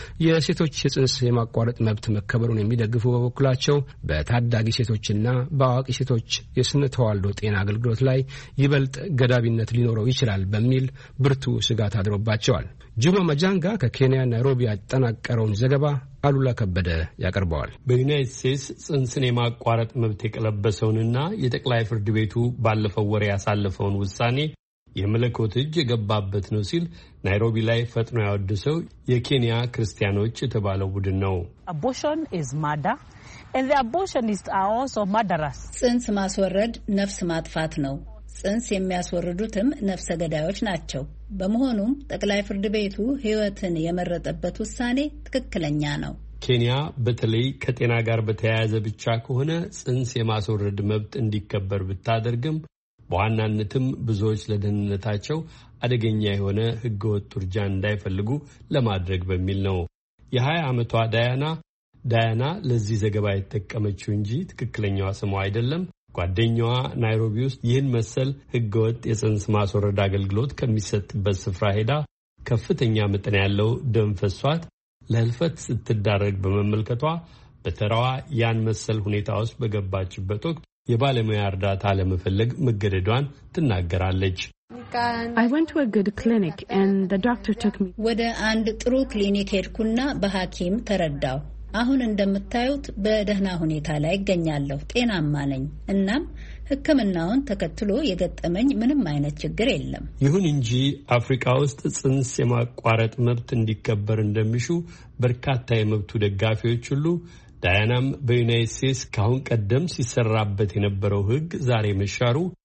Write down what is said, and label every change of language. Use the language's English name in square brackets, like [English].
[Amharic] የሴቶች ጽንስ የማቋረጥ መብት መከበሩን የሚደግፉ በበኩላቸው በታዳጊ ሴቶችና በአዋቂ ሴቶች የስነ ተዋልዶ ጤና አገልግሎት ላይ ይበልጥ ገዳቢነት ሊኖረው ይችላል በሚል ብርቱ ስጋት አድሮባቸዋል። ጁማ መጃንጋ ከኬንያ ናይሮቢ አጠናቀረውን ዘገባ አሉላ ከበደ ያቀርባል። በዩናይትድ ስቴትስ ጽንስን የማቋረጥ መብት የቀለበሰውንና የጠቅላይ ፍርድ ቤቱ ባለፈው ወር ያሳለፈውን ውሳኔ የመለኮት እጅ የገባበት ነው ሲል ናይሮቢ ላይ ፈጥኖ ያወደሰው የኬንያ ክርስቲያኖች የተባለው ቡድን ነው። [English] Abortion is murder and the abortionists are also murderers. [Amharic] ጽንስ ማስወረድ ነፍስ ማጥፋት ነው። ጽንስ የሚያስወርዱትም ነፍሰ ገዳዮች ናቸው። በመሆኑም ጠቅላይ ፍርድ ቤቱ ህይወትን የመረጠበት ውሳኔ ትክክለኛ ነው። ኬንያ በተለይ ከጤና ጋር በተያያዘ ብቻ ከሆነ ጽንስ የማስወረድ መብት እንዲከበር ብታደርግም በዋናነትም ብዙዎች ለደህንነታቸው አደገኛ የሆነ ህገወጥ ቱርጃ እንዳይፈልጉ ለማድረግ በሚል ነው። የ20 ዓመቷ ዳያና ለዚህ ዘገባ የተጠቀመችው እንጂ ትክክለኛዋ ስሟ አይደለም። ጓደኛዋ ናይሮቢ ውስጥ ይህን መሰል ህገወጥ የጽንስ ማስወረድ አገልግሎት ከሚሰጥበት ስፍራ ሄዳ ከፍተኛ መጠን ያለው ደም ፈሷት ለህልፈት ስትዳረግ በመመልከቷ በተራዋ ያን መሰል ሁኔታ ውስጥ በገባችበት ወቅት የባለሙያ እርዳታ ለመፈለግ መገደዷን ትናገራለች። [English] I went to a good clinic and the doctor took me [Amharic] ወደ አንድ ጥሩ ክሊኒክ ሄድኩና በሐኪም ተረዳው። አሁን እንደምታዩት በደህና ሁኔታ ላይ እገኛለሁ። ጤናማ ነኝ እና ህክምናውን ተከትሎ የገጠመኝ ምንም አይነት ችግር የለም። ይሁን እንጂ አፍሪካ ውስጥ ጽንስ የማቋረጥ መብት እንዲከበር እንደምሹ በርካታ የመብቱ ደጋፊዎች ሁሉ ዳያናም በዩናይትድ ስቴትስ ካሁን ቀደም ሲሰራበት የነበረው ህግ ዛሬ መሻሩ